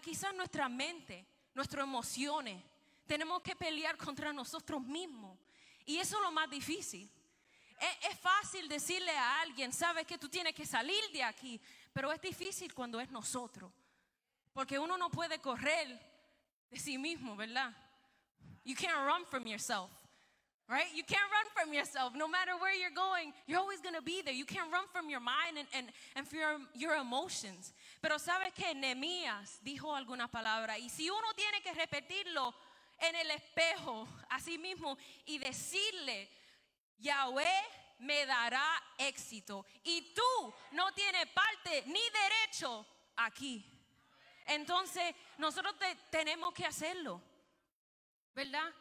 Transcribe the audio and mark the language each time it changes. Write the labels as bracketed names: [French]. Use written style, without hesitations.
[Spanish] Quizás nuestra mente, nuestras emociones. Tenemos que pelear contra nosotros mismos. Y eso es lo más difícil. Es fácil decirle a alguien, sabes que tú tienes que salir de aquí. Pero es difícil cuando es nosotros. Porque uno no puede correr de sí mismo, ¿verdad? [English] You can't run from yourself. Right? You can't run from yourself. No matter where you're going, you're always going to be there. You can't run from your mind and from your emotions. [Spanish] Pero sabes que Nehemías dijo alguna palabra. Y si uno tiene que repetirlo en el espejo a sí mismo y decirle, Yahweh me dará éxito y tú no tienes parte ni derecho aquí. Entonces nosotros tenemos que hacerlo, ¿verdad?